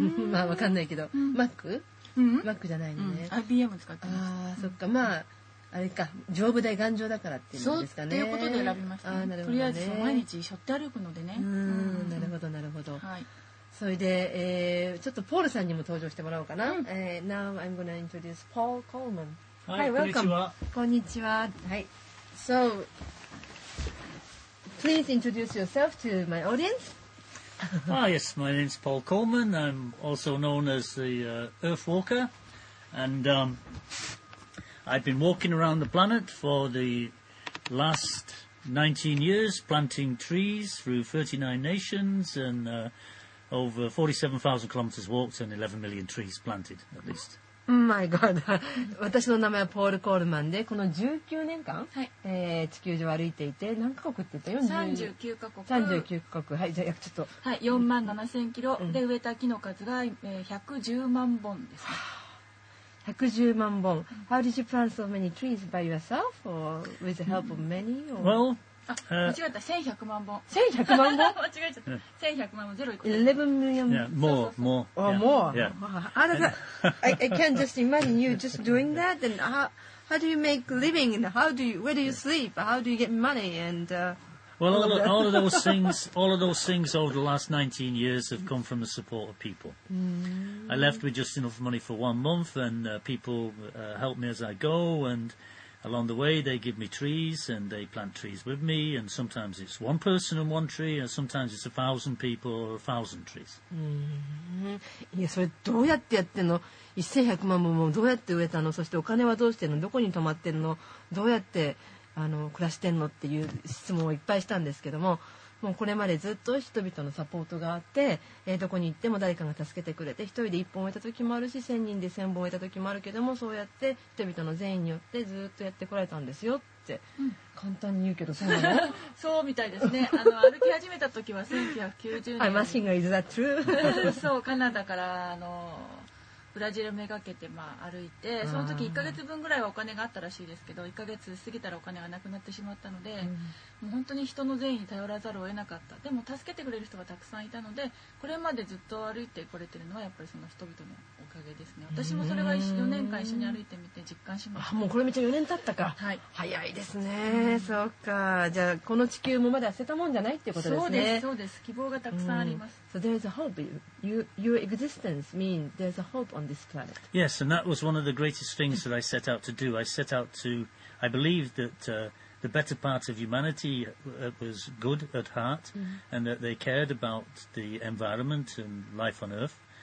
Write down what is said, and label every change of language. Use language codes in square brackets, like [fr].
[ja] まあ、わかんないけど、Mac？うん、 Mac じゃないのね。うん、IBM 使ってます。ああ、そっか、まあ、あれか、丈夫で頑丈だからっていうんですかね。そう、ということで選びました、ね。あ、なるほどね。とりあえず毎日背負って歩くのでね。なるほど、なるほど。はい。それで、ちょっとポールさんにも登場してもらおうかな。 [en] うん、Now I'm going to introduce Paul Coleman. Hi, Hi, welcome. [ja] こんにちは。こんにちは。はい。 [en] So, please introduce yourself to my audience. Ah, yes, my name is Paul Coleman. I'm also known as the Earthwalker. And I've been walking around the planet for the last 19 years, planting trees through 39 nations and over 47,000 kilometers walked and 11 million trees planted, at least. My God. [ja] 私の名前はポール・コールマンで、この19年間、はい、地球上歩いていて、何カ国って言ったよ？39カ国。はい、じゃあちょっと。はい、4万7千キロ、うん、で植えた木の数が、110万本です、ね。 110万本。 [en] How did you plant so many trees by yourself or with the help of many? Or? Well, [ja] 間違えた。1100万本。 1100万本間違えちゃった。1100万本。ゼロ [en] 1個。11 million. Yeah, more, so, so, so. more. Oh, more. Yeah. Wow. I can't just imagine you just doing that. And how do you make a living? And how do you, where do you sleep? How do you get money? And, well, all of those things over the last 19 years have come from the support of people. Mm. I left with just enough money for 1 month, and people help me as I go. And along the way, they give me trees, and they plant trees with me. And sometimes it's one person and one tree, and sometimes it's 1,000 people or 1,000 trees. Mm. Yeah, so how do you do it? [ja] 1,100 万本どうやって植えたの？そしてお金はどうしてるの？どこに泊まってるの？どうやって暮らしてんのっていう質問をいっぱいしたんですけども、もうこれまでずっと人々のサポートがあって、どこに行っても誰かが助けてくれて、一人で一本植えた時もあるし、千人で千本植えた時もあるけども、そうやって人々の善意によってずっとやってこられたんですよって、うん、簡単に言うけどそうなの？そうみたいですね。歩き始めた時は1990年。 [en] I'm asking you, is that true? [ja] そう、カナダからブラジルめがけて、まあ、歩いて、その時1ヶ月分ぐらいはお金があったらしいですけど、1ヶ月過ぎたらお金がなくなってしまったので、うん、もう本当に人の善意に頼らざるを得なかった。でも助けてくれる人がたくさんいたので、これまでずっと歩いてこれてるのはやっぱりその人々のおかげですね。私もそれが4年間一緒に歩いてみて実感しました。あ、もうこれめっちゃ4年経ったか、はい、早いですね、うん、そうか。じゃあこの地球もまだ捨てたもんじゃないっていうことですね。そうです、そうです。希望がたくさんあります、うん。 [en] So there's a hope. Your existence means there's a hope on this planet. Yes, and that was one of the greatest things that I set out to do. I believe that the better part of humanity was good at heart, mm-hmm. and that they cared about the environment and life on Earth.